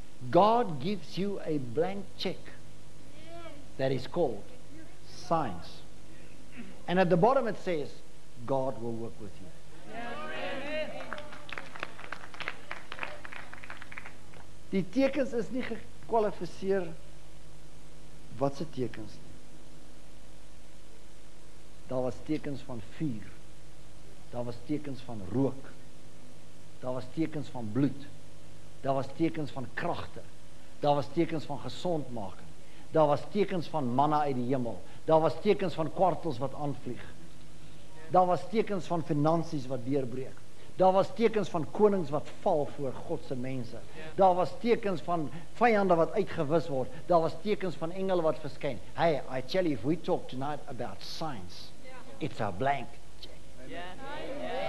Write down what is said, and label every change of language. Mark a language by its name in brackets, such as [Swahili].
[English] God gives you a blank check that is called signs. And at the bottom it says, God will work with you. [Afrikaans] Die tekens is nie gekwalificeer. Wat se tekens? Daar was tekens van vuur. Daar was tekens van rook. Daar was tekens van bloed. Daar was tekens van kragte. Daar was tekens van gesondmaking. Daar was tekens van manna uit die hemel. Daar was tekens van kwartels wat aanvlieg. Daar was tekens van finansies wat deurbreek. Daar was tekens van konings wat val voor Godse mense. Daar was tekens van vijanden wat uitgewis word. Daar was tekens van engelen wat verskyn. [English] Hey, I tell you, if we talk tonight about signs, it's a blank check.